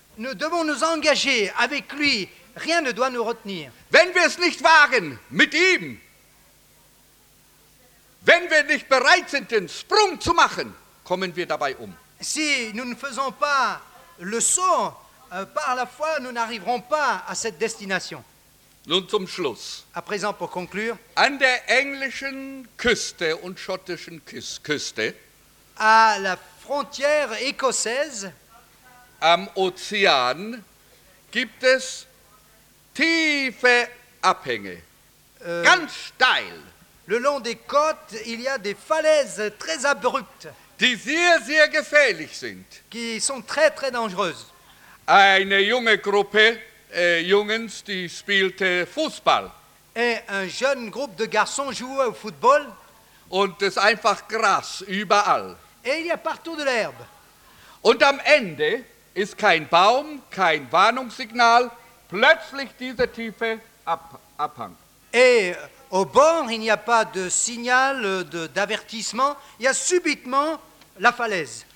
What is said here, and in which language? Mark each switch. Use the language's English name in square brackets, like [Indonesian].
[French] Nous devons nous engager avec lui. Rien ne doit nous retenir. [German] Wenn wir es nicht wagen, mit ihm, wenn wir nicht bereit sind, den Sprung zu machen, kommen wir dabei um. [French] Si nous ne faisons pas le saut par la foi, nous n'arriverons pas à cette destination. [German] Nun zum Schluss. [French] À présent, pour conclure. [German] An der englischen Küste und schottischen Küste. [French] À la frontière écossaise. [German] Am Ozean gibt es tiefe Abhänge. Ganz steil. [French] Le long des côtes, il y a des falaises très abruptes. [German] Die sehr, sehr gefährlich sind. [French] Qui sont très, très dangereuses. [German] Eine junge Gruppe Jungs, die spielte Fußball. [French] Et un jeune groupe de garçons jouait au football. [German] Und es ist einfach Gras überall. [French] Et il y a partout de l'herbe. [German] Und am Ende ist kein Baum, kein Warnungssignal, plötzlich diese tiefe Abhang. [French] Et au bord, il n'y a pas de signal d'avertissement. Il y a subitement la falaise.